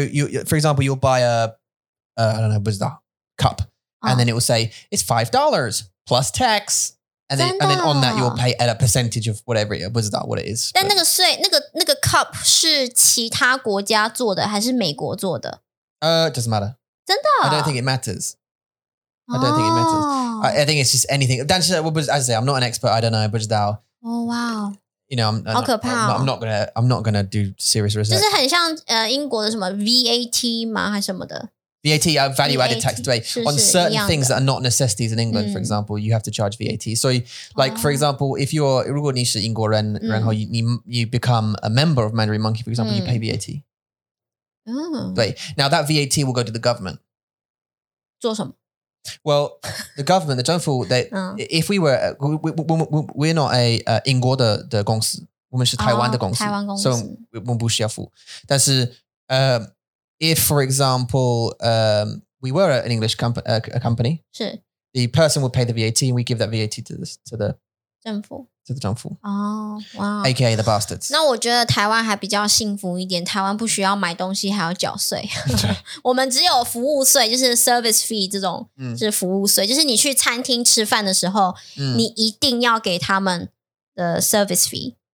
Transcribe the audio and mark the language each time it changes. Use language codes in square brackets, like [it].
[en] you, for example, you'll buy a I don't know, what's that cup, and then it will say it's $5 plus tax. And then on that, you'll pay at a percentage of whatever it is. I don't know what it is. [zh] 但那个 [en] cup [zh] 是其他国家做的还是美国做的? [en] It doesn't matter. [zh] 真的? [en] I don't think it matters. I don't think it matters. I think it's just anything. [zh] 但是, [en] as I say, I'm not an expert. I don't know. I don't know. Oh, wow. You know, I'm not going to do serious research. [zh] 就是很像英国的什么VAT吗还是什么的? [en] VAT, value-added tax, on certain things that are not necessities in England, for example, you have to charge VAT. So, like, for example, if you're, [zh] 如果你是英国人, 然后你 [en] become a member of Mandarin Monkey, for example, you pay VAT. Now, that VAT will go to the government. [zh] 做什么? [en] Well, the government, the [zh] 政府, [en] if we were, we're not a [zh] 英国的公司, 我们是台湾的公司, 台湾公司, [en] so [zh] 我们不需要付, 但是, [en] if, for example, we were an English company, the person would pay the VAT and we give that VAT to the [zh] 政府。哦，哇。 [en] AKA the bastards. [zh] 那我觉得台湾还比较幸福一点，台湾不需要买东西还要缴税。我们只有服务税，就是 [en] service fee [zh] 这种，就是服务税，就是你去餐厅吃饭的时候，你一定要给他们的 service fee。